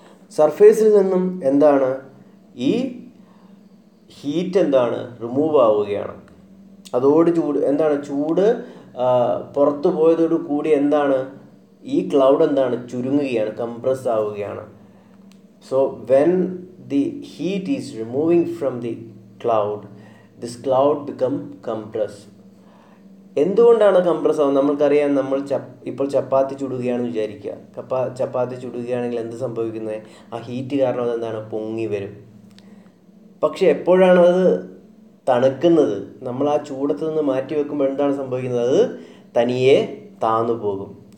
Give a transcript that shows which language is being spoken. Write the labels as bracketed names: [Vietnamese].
[Malayalam] സർഫേസിൽ നിന്നും എന്താണ് ഈ ഹീറ്റ് എന്താണ്? റിമൂവ് ആവുകയാണ്. അതോട് ചൂട് എന്താണ്? ചൂട് പുറത്തു പോയതോടുകൂടി എന്താണ് ഈ ക്ലൗഡ് എന്താണ്? ചുരുങ്ങുകയാണ്, കംപ്രസ് ആവുകയാണ്. [English] So when the heat is removing from the cloud, this cloud become compressed. [Malayalam] എന്തുകൊണ്ടാണ് കംപ്രസ് ആവുന്നത്? നമ്മൾക്കറിയാം, നമ്മൾ ഇപ്പോൾ ചപ്പാത്തി ചുടുകയാണെന്ന് വിചാരിക്കുക. ചപ്പാത്തി ചുടുകയാണെങ്കിൽ എന്ത് സംഭവിക്കുന്നത്? ആ ഹീറ്റ് കാരണം അതെന്താണ്? പൊങ്ങി വരും. പക്ഷെ എപ്പോഴാണത് തണുക്കുന്നത്? നമ്മൾ ആ ചൂടത്ത് നിന്ന് മാറ്റി വെക്കുമ്പോൾ എന്താണ് സംഭവിക്കുന്നത്? അത് തനിയെ താന്നു പോകും.